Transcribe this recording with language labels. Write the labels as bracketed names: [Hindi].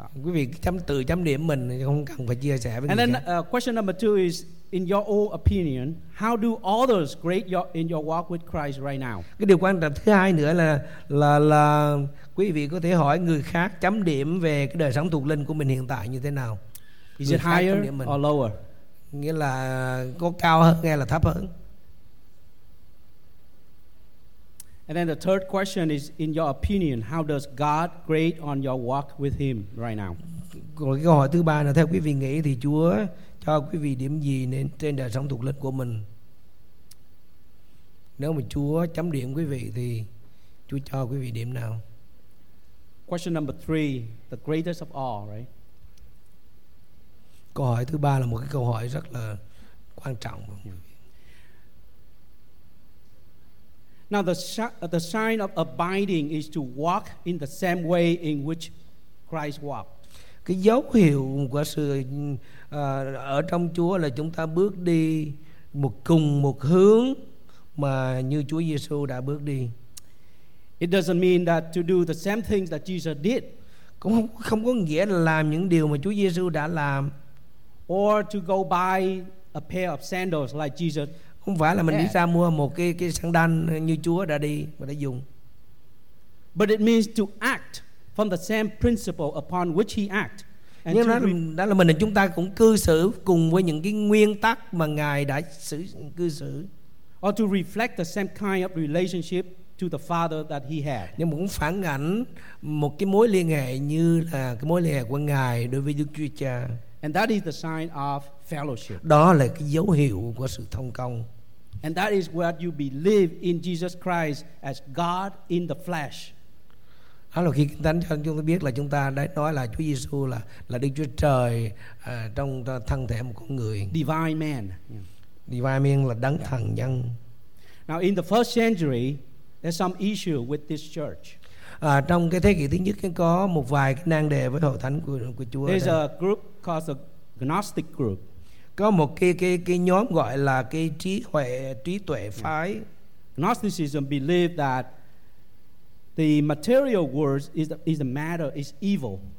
[Vietnamese] Quý vị chấm điểm mình không cần phải chia sẻ với [English] And then question number two is in your own opinion, how do others grade in your walk with Christ right now? [Vietnamese] Cái điều quan trọng thứ hai nữa là quý vị có thể hỏi người khác chấm điểm về cái đời sống thuộc linh của mình hiện tại như thế nào. [English] Is it higher or lower? [Vietnamese] Nghĩa là có cao hơn hay là thấp hơn? [English] And then the third question is, in your opinion, how does God grade on your walk with Him right now? [Vietnamese] Rồi cái câu hỏi thứ ba là theo quý vị nghĩ thì Chúa cho quý vị điểm gì nên trên đời sống thuộc linh của mình? Nếu mà Chúa chấm điểm quý vị thì Chúa cho quý vị điểm nào? [English] Question number three, the greatest of all, right? [Vietnamese] Câu hỏi thứ ba là một cái câu hỏi rất là quan trọng. [English] Now the sign of abiding is to walk in the same way in which Christ walked. [Vietnamese] Cái dấu hiệu của sự ở trong Chúa là chúng ta bước đi một cùng một hướng mà như Chúa Giêsu đã bước đi. [English] It doesn't mean that to do the same things that Jesus did. [Vietnamese] Cũng không có nghĩa là làm những điều mà Chúa Giêsu đã làm. [English] Or to go buy a pair of sandals like Jesus. [Vietnamese] Không phải là mình đi ra mua một cái sáng đanh như Chúa đã đi và đã dùng. [English] But it means to act from the same principle upon which he act. [Vietnamese] Nhưng đó là mình là chúng ta cũng cư xử cùng với những cái nguyên tắc mà Ngài đã cư xử. [English] Or to reflect the same kind of relationship to the Father that he had. [Vietnamese] Nhưng mà cũng phản ảnh một cái mối liên hệ như là cái mối liên hệ của Ngài đối với Đức Chúa Cha. [English] And that is the sign of fellowship. [Vietnamese] Đó là cái dấu hiệu của sự thông công. [English] And that is what you believe in Jesus Christ as God in the flesh. [Vietnamese] Đó là khi Kinh Thánh cho chúng ta biết là chúng ta đã nói là Chúa Giêsu là Đức Chúa Trời trong thân thể một con người. [English] Divine man. Divine man [Vietnamese] là đấng thần nhân. [English] Now in the first century, there's some issue with this church. [Vietnamese] Trong cái thế kỷ thứ nhất có một vài cái nan đề với hội thánh của Chúa. [English] There's a group called the Gnostic group. [Vietnamese] Có một cái nhóm gọi là cái trí tuệ phái. [English] Gnosticism believed that the material world is the matter is evil.